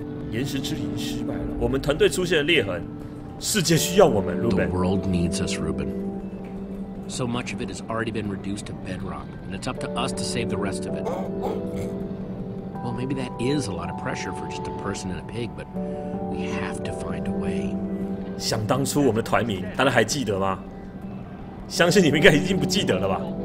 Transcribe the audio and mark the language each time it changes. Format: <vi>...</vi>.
<zh>岩石之灵失败了，我们团队出现了裂痕。世界需要我们， Ruben.</zh> <en>The world needs us, Ruben. So much of it has already been reduced to bedrock, and it's up to us to save the rest of it. Well, maybe that is a lot of pressure for just a person and a pig, but we have to find a way.</en> <zh>想当初我们的团名，大家还记得吗？相信你们应该已经不记得了吧。</zh>